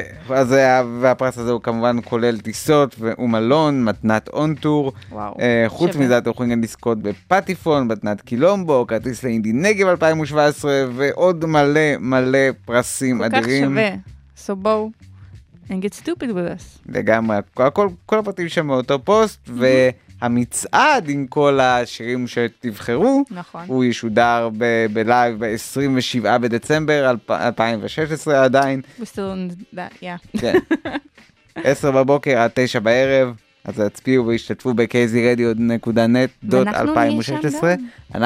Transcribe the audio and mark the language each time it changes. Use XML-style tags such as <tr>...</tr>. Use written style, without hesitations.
<he>אז הפרס הזה הוא כמובן כולל טיסות ומלון, מתנת אונטור. חוץ מזה אתם יכולים גם לזכות בפטיפון, מתנת קילומבו, כרטיס לאינדי נגב 2017 ועוד מלא מלא פרסים אדירים. כל כך שווה,</he> <en>so go and get stupid with us.</en> <he>לגמרי, כל הפרטים שם באותו פוסט, והמצעד עם כל השירים שתבחרו, הוא ישודר בלייב ב-27 בדצמבר 2016 עדיין.</he> <en>We're still on that, yeah.</en> <he>כן. 10 בבוקר עד 9 בערב, אז הצפיעו והשתתפו ב-kzradio.net.2016.</he>